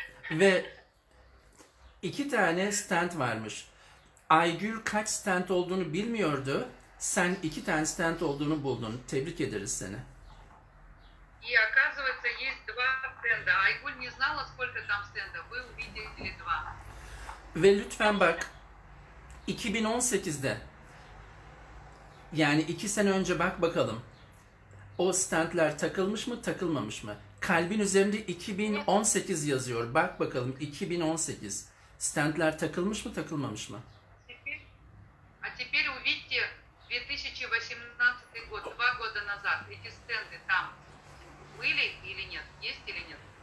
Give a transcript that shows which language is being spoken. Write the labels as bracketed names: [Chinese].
[Turkish] Ve iki tane stent varmış. Aygül kaç stent olduğunu bilmiyordu. Sen iki tane stent olduğunu buldun. Tebrik ederiz seni. [Russian] И оказывается есть два стента. Aygül не знала сколько там стентов. Вы увидели два. [Turkish] Ve lütfen bak. 2018'de yani 2 sene önce bak bakalım. O stentler takılmış mı, takılmamış mı? Kalbin üzerinde 2018 yazıyor. Bak bakalım 2018. Stentler takılmış mı, takılmamış mı? [Russian] А теперь увидите 2018 год, 2 года назад. Эти стенты там были или нет? Есть или нет?